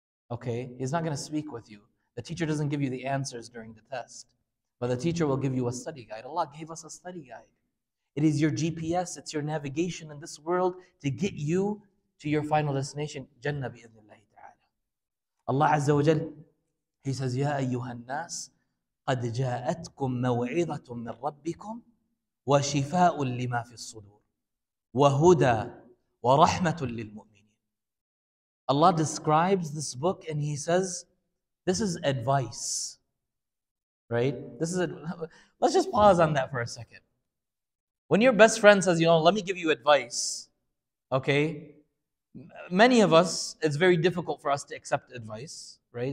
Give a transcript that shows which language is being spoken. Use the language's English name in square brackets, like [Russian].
[English] Okay, he's not going to speak with you. The teacher doesn't give you the answers during the test. But the teacher will give you a study guide. Allah gave us a study guide. It is your GPS, it's your navigation in this world to get you to your final destination, Jannah bi-idhnillahi ta'ala. Allah Azza wa Jal, He says, Ya ayyuhannas, [Arabic] قد جاءتكم موعظة من ربكم وشفاء لما في الصدور وهدى ورحمة للمؤمنين. [English] Allah describes this book and he says, this is advice, right? This is, let's just pause on that for a second. When your best friend says, you know, let me give you advice, okay? Many of us, it's very difficult for us to accept advice, right?